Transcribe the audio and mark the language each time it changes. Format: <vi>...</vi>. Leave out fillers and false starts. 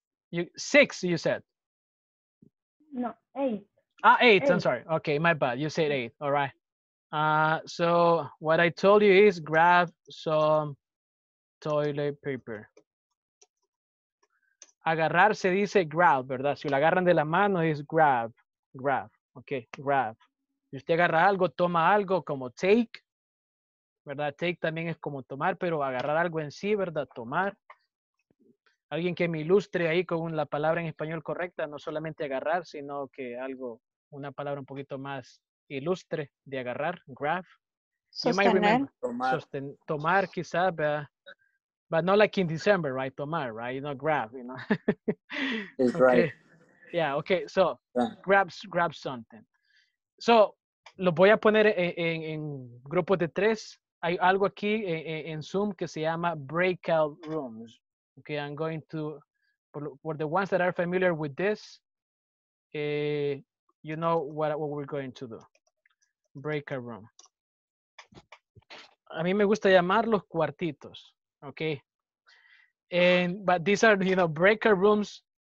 <en>You six, you said? No, eight. Ah, eight. I'm sorry. Okay, my bad. You said eight. All right. So what I told you is grab some toilet paper.</en> <es>Agarrar se dice grab, ¿verdad? Si lo agarran de la mano es grab. Grab. Okay, grab. Si usted agarra algo, toma algo como take, ¿verdad? Take también es como tomar, pero agarrar algo en sí, ¿verdad? Tomar. Alguien que me ilustre ahí con la palabra en español correcta, no solamente agarrar, sino que algo, una palabra un poquito más ilustre de agarrar, grab. Sostener. Tomar. Tomar quizás, ¿verdad?</es> <en>But not like in December, right? Tomar, right? You know, grab, you know. It's okay. Right. Yeah, okay. So, grab something.</en> <es>So, lo voy a poner en grupo de tres. Hay algo aquí en Zoom que se llama breakout rooms.</es> <en>Okay, I'm going to, for the ones that are familiar with this, you know what we're going to do. Breakout room.</en> <es>A mí me gusta llamarlos cuartitos.</es> <en>Okay. And, but these are, you know, breakout rooms.</en>